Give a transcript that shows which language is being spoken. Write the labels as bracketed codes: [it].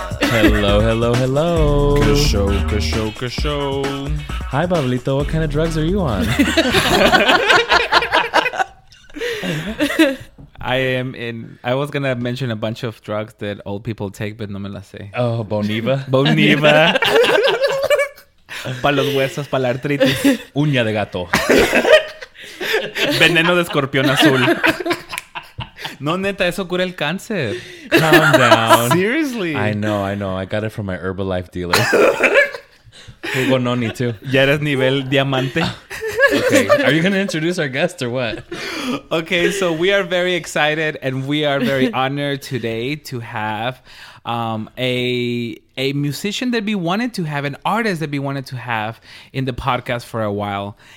[en] Hello, hello, hello. Kasho. Hi, Babelito. What kind of drugs are you on? I was gonna mention a bunch of drugs that old people take, but [es] no me las sé. [en] Oh, Boniva. Boniva. [es] Para los huesos, para la artritis. Uña de gato. Veneno de escorpión azul. No, neta, eso cura el cáncer. [en] Calm down. Seriously. I know. I got it from my Herbalife dealer. Hugo Noni, too. [es] Ya eres nivel diamante. [en] Okay, are you going to introduce our guest or what? Okay, so we are very excited and we are very honored today to have a musician that we wanted to have, an artist that we wanted to have in the podcast for a while.